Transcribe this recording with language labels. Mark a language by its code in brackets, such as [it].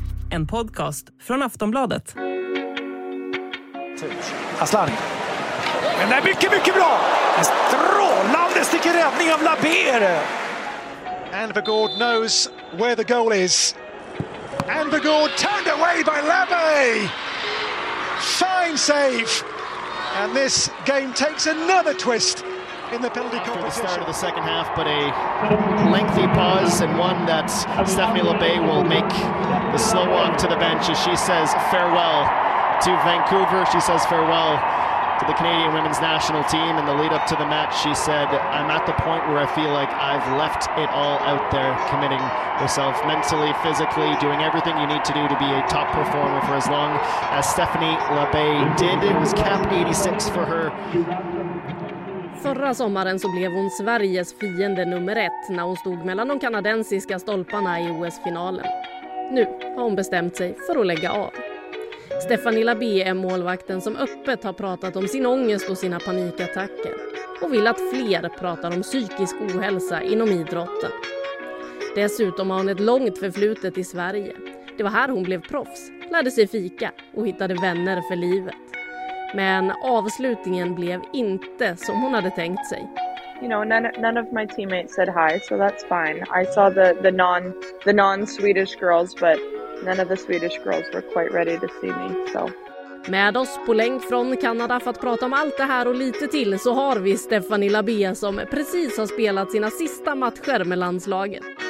[sv] En podcast från Aftonbladet. Aslan. Men det är mycket, mycket bra! En strålande stick i räddning av Laber! [en] Anvergaard knows where the goal is. Anvergaard turned away by Labbe. Fine save. And this game takes another twist in the penalty competition. After the start of the second half, but a lengthy pause and one that Stephanie Labbe will make the slow walk to the bench as she says farewell to Vancouver. She says farewell to the Canadian women's national team. In the lead up to the match, she said, "I'm at the point where I feel like I've left it all out there," committing herself mentally, physically, doing everything you need to do to be a top performer for as long as Stephanie Labbe did. It was cap 86 for her. [sv] Förra sommaren så blev hon Sveriges fiende nummer ett när hon stod mellan de kanadensiska stolparna i OS-finalen. Nu har hon bestämt sig för att lägga av. Stephanie Labbe är målvakten som öppet har pratat om sin ångest och sina panikattacker och vill att fler pratar om psykisk ohälsa inom idrotten. Dessutom har hon ett långt förflutet i Sverige. Det var här hon blev proffs, lärde sig fika och hittade vänner för livet. Men avslutningen blev inte som hon hade tänkt sig. [en] You know, none of my teammates said hi, so that's fine. I saw the non-Swedish girls, but none of the Swedish girls were quite ready to see me, so. [sv] Med oss på länk från Kanada för att prata om allt det här och lite till så har vi Stephanie Labbe som precis har spelat sina sista matcher med landslaget.